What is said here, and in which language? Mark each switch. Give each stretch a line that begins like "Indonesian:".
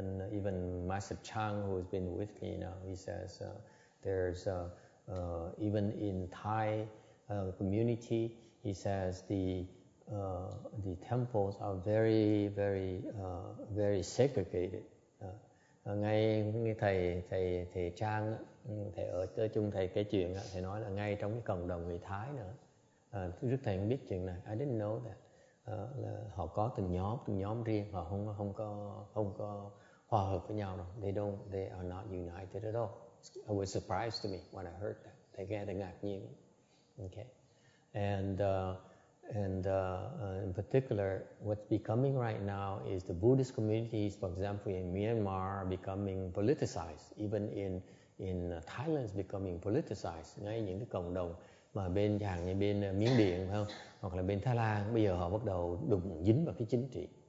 English: Even Master Chang, who has been with me now, he says there's even in Thai community, he says the temples are very, very, very segregated.
Vietnamese: ngay thầy Trang đó, thầy ở chung thầy cái chuyện đó, thầy nói là ngay trong cái cộng đồng người Thái nữa, rất thầy không biết chuyện này,
English: I didn't know that.
Vietnamese: Là họ có từng nhóm riêng, họ không có hòa hợp với nhau đâu.
English: They are not united at all. I was surprised to me when I heard that.
Vietnamese: Thầy nghe thầy ngạc nhiên.
English: Okay. And in particular, what's becoming right now is the Buddhist communities, for example, in Myanmar, are becoming politicized. Even in Thailand, is becoming politicized.
Vietnamese: Ngay những cái cộng đồng mà bên hàng như bên Miến Điện phải không, hoặc là bên Thái Lan, bây giờ họ bắt đầu đụng dính vào cái chính trị.